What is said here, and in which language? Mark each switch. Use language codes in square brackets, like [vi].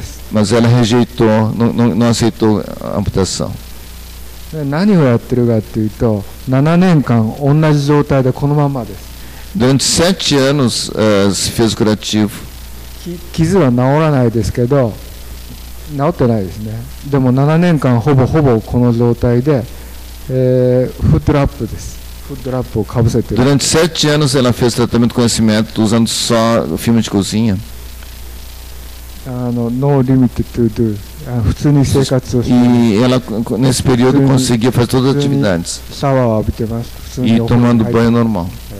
[pt] Mas ela rejeitou, não aceitou a amputação. [ja] 何をやってるかっていうと 7年間同じ状態でこのままです。 [pt] Durante 7 anos se fez o curativo. [ja] 傷は治らないですけど 治ってないですね。でも 7年間ほぼほぼこの状態で フットラップです。フットラップをかぶせてる。 [pt] Durante 7 anos ela fez tratamento com esse método usando só filme de cozinha. [en] No limit to do. [pt] E ela nesse período conseguia fazer todas as atividades e tomando banho normal.